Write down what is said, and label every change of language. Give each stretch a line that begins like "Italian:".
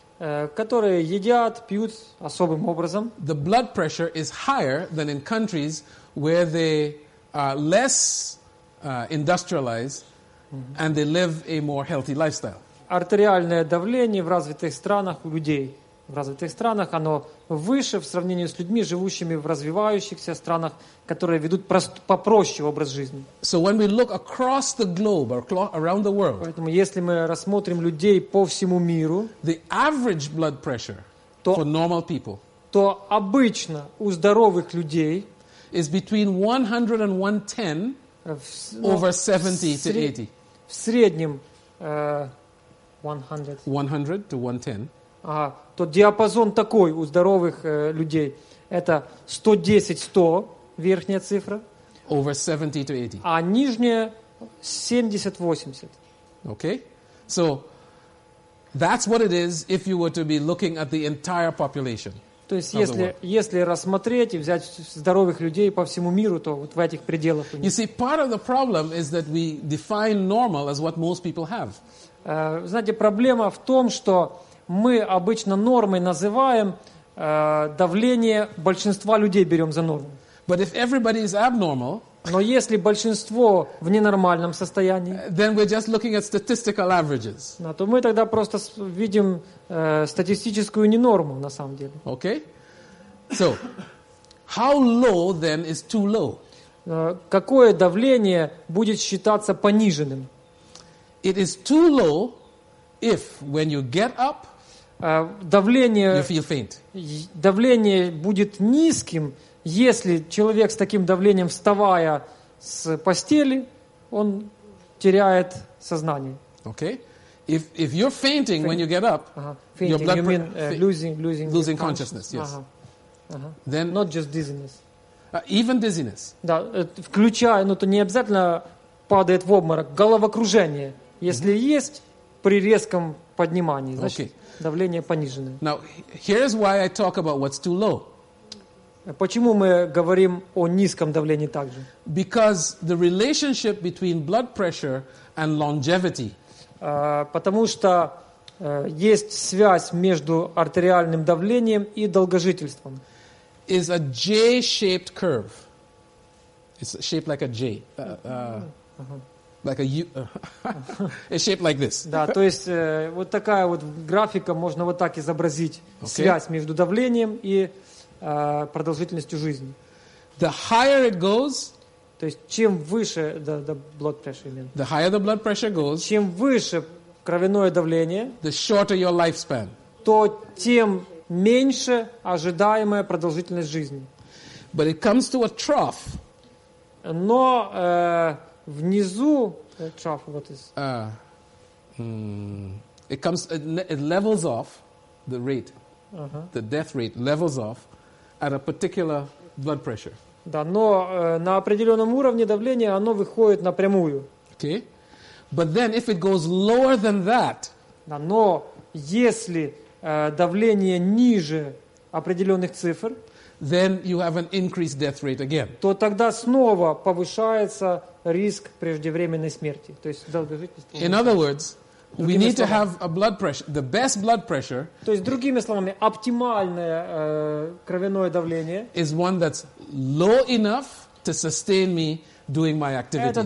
Russian: которые едят, пьют особым образом,
English: the blood pressure is higher than in countries where they are less industrialized and they live a more healthy lifestyle.
Russian: Артериальное давление в развитых странах у людей. В развитых странах оно выше в сравнении с людьми, живущими в развивающихся странах, которые ведут попроще образ жизни.
English: So when we look across the globe or around the world,
Russian: поэтому если мы рассмотрим людей по всему миру,
English: the average blood pressure for normal people,
Russian: то обычно у здоровых людей
English: is between 100 and 110 over 70 to 80.
Russian: В среднем 100.
English: 100 to 110.
Russian: Ага, то диапазон такой у здоровых людей. Это 110-100, верхняя цифра.
English: Over 70 to 80.
Russian: А нижняя 70-80.
English: Okay. So, that's what it is if you were to be looking at the entire population.
Russian: То есть, если рассмотреть и взять здоровых людей по всему миру, то вот в этих пределах у них.
English: You see, part of the problem is that we define normal as what most people have.
Russian: Знаете, проблема в том, что мы обычно нормой называем давление большинства людей, берем за норму.
English: But if everybody is abnormal,
Russian: но если большинство в ненормальном состоянии,
English: then we're just looking at statistical averages.
Russian: Ну, то мы тогда просто видим статистическую ненорму на самом деле.
English: Okay? So, how low then is too low?
Russian: Какое давление будет считаться пониженным?
English: It is too low if when you get up,
Russian: давление,
English: you feel faint.
Russian: Давление будет низким, если человек с таким давлением, вставая с постели, он теряет сознание.
English: Okay. If you're fainting when you get up, fainting, your blood pressure, losing consciousness, yes. Then, not just dizziness. Even dizziness.
Russian: Да, включая, ну то не обязательно падает в обморок, головокружение, если есть при резком поднимании, значит, давление понижено.
English: Now, here's why I talk about what's too low.
Russian: Почему мы говорим о низком давлении также?
English: Because the relationship between blood pressure and longevity.
Russian: Потому что есть связь между артериальным давлением и долгожительством.
English: Is a J-shaped curve. It's shaped like a J. Like a U. It's shaped like this.
Russian: Да, то есть вот такая вот графика, можно вот так изобразить связь между давлением и продолжительностью жизни.
English: The higher it goes,
Russian: то есть чем выше
English: the blood pressure,
Russian: именно.
English: The higher the blood pressure goes,
Russian: чем выше кровяное давление,
English: the shorter your lifespan,
Russian: то тем меньше ожидаемая продолжительность жизни.
English: But it comes to a trough.
Russian: Но внизу
English: trough, what is? It comes, it levels off the rate, the death rate levels off at a particular blood pressure.
Russian: Да, но на определенном уровне давления оно выходит напрямую.
English: Okay. But then if it goes lower than that,
Russian: да, но если давление ниже определенных цифр,
English: then you have an increased death rate again.
Russian: То тогда снова повышается риск преждевременной смерти, то есть долгожительности.
English: In other words, we need to have a blood pressure, the best blood pressure.
Russian: То есть другими словами, оптимальное кровяное давление
English: is one that's low enough to sustain me doing my activities.